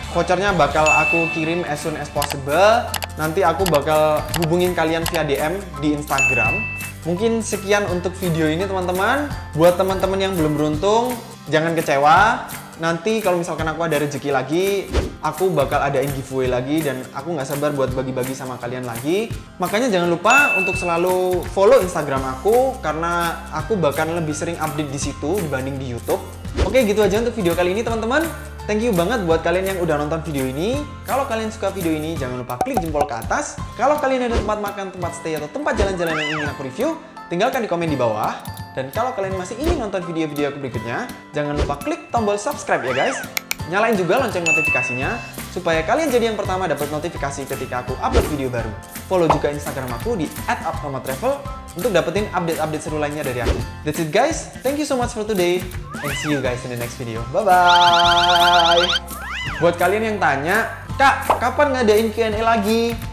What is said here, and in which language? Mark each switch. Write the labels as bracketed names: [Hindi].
[Indonesian] Vouchernya bakal aku kirim [English] as soon as possible. [Indonesian] Nanti aku bakal hubungin kalian via DM di Instagram. Mungkin sekian untuk video ini, teman-teman. Buat teman-teman yang belum beruntung, jangan kecewa. nanti kalau misalkan aku ada rezeki lagi, aku bakal adain giveaway lagi dan aku nggak sabar buat bagi-bagi sama kalian lagi. Makanya jangan lupa untuk selalu follow Instagram aku karena aku bahkan lebih sering update di situ dibanding di YouTube. Oke, gitu aja untuk video kali ini teman-teman. [English] Thank you [Indonesian] banget buat kalian yang udah nonton video ini. Kalau kalian suka video ini, jangan lupa klik jempol ke atas. Kalau kalian ada tempat makan, tempat stay, atau tempat jalan-jalan yang ingin aku review, tinggalkan di komen di bawah. Dan kalau kalian masih ingin nonton video-video aku berikutnya, jangan lupa klik tombol subscribe ya guys. Nyalain juga lonceng notifikasinya, supaya kalian jadi yang pertama dapat notifikasi ketika aku upload video baru. Follow juga Instagram aku di @upnomatravel untuk dapetin update-update seru lainnya dari aku. [English] That's it guys, thank you so much for today. And see you guys in the next video. Bye-bye. [Indonesian] Buat kalian yang tanya, Kak, kapan ngadain Q&A lagi?